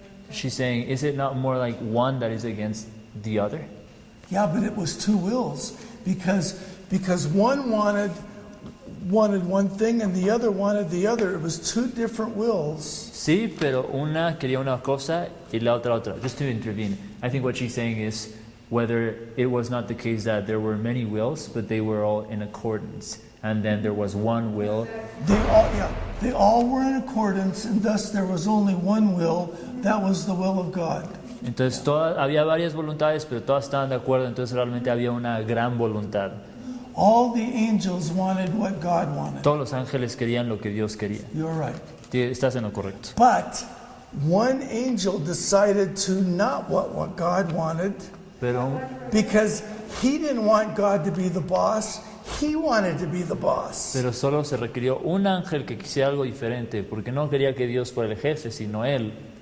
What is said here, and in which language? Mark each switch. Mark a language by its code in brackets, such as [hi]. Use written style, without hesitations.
[en] She's saying, is it not more like one that is against the other? Yeah, but it was two wills because one wanted one thing and the other wanted the other. It was two different wills. [es] Sí, pero una quería una cosa y la otra otra. [en] Just to intervene, I think what she's saying is whether it was not the case that there were many wills, but they were all in accordance. and then there was one will. They all were in accordance, and thus there was only one will. That was the will of God. [es] Entonces había varias voluntades, pero todas estaban de acuerdo. Entonces realmente había una gran voluntad. [en] All the angels wanted what God wanted. [es] Todos los ángeles querían lo que Dios quería. [en] You're right. [es] Estás en lo correcto. [en] But one angel decided to not what God wanted. [es] Pero [en] because he didn't want God to be the boss, he wanted to be the boss. [es] Pero solo se requirió un ángel que quisiera algo diferente, porque no quería que Dios fuera el jefe, sino él.